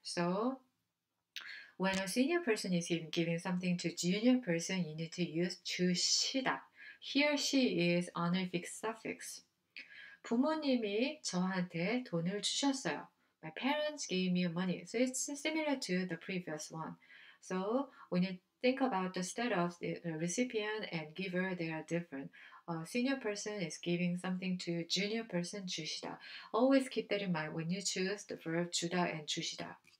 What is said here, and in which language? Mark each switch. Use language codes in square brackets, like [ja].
[en] So when a senior person is giving something to junior person, you need to use 주시다. He or she is honorific suffix. [ko] 부모님이 저한테 돈을 주셨어요. [en] My parents gave me money. So it's similar to the previous one. So when you think about the status of the recipient and giver, they are different. A senior person is giving something to junior person, 주시다. Always keep that in mind when you choose the verb 주다 and 주시다.